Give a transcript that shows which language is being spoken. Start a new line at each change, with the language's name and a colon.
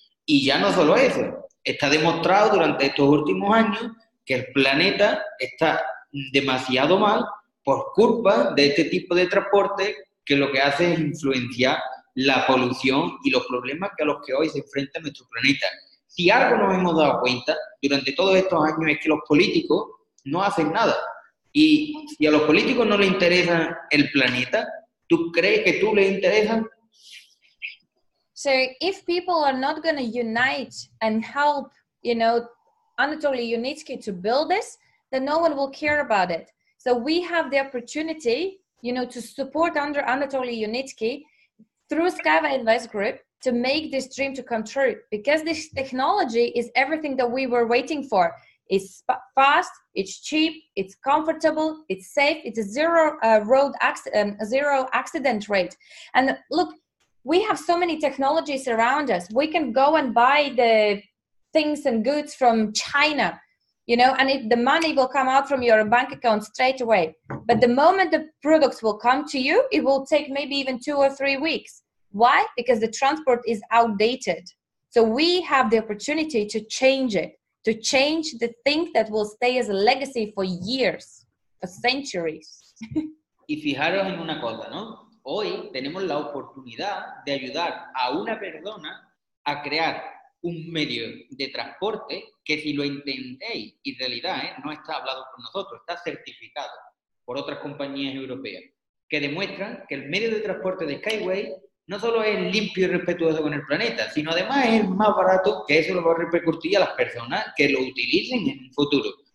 Spanish: Y ya no solo eso, está demostrado durante estos últimos años que el planeta está demasiado mal por culpa de este tipo de transporte, que lo que hace es influenciar la polución y los problemas que a los que hoy se enfrenta nuestro planeta. Si algo nos hemos dado cuenta durante todos estos años es que los políticos no hacen nada. Y si a los políticos no les interesa el planeta, ¿tú crees que tú les interesa?
English: So if people are not going to unite and help, you know, Anatoly Yunitsky to build this, then no one will care about it. So we have the opportunity, you know, to support under Anatoly Yunitsky through SkyWay Invest Group to make this dream to come true. Because this technology is everything that we were waiting for. It's fast, it's cheap, it's comfortable, it's safe, it's a zero zero accident rate. And look, we have so many technologies around us. We can go and buy the things and goods from China, you know, and the money will come out from your bank account straight away. But the moment the products will come to you, it will take maybe even 2 or 3 weeks. Why? Because the transport is outdated. So we have the opportunity to change it, to change the thing that will stay as a legacy for years, for centuries.
Spanish: Y fijaros en una cosa, ¿no? Hoy tenemos la oportunidad de ayudar a una persona a crear un medio de transporte que, si lo entendéis, y en realidad no está hablado por nosotros, está certificado por otras compañías europeas, que demuestran que el medio de transporte de SkyWay no solo es limpio y respetuoso con el planeta, sino además es más barato, que eso lo va a repercutir a las personas que lo utilicen en un futuro.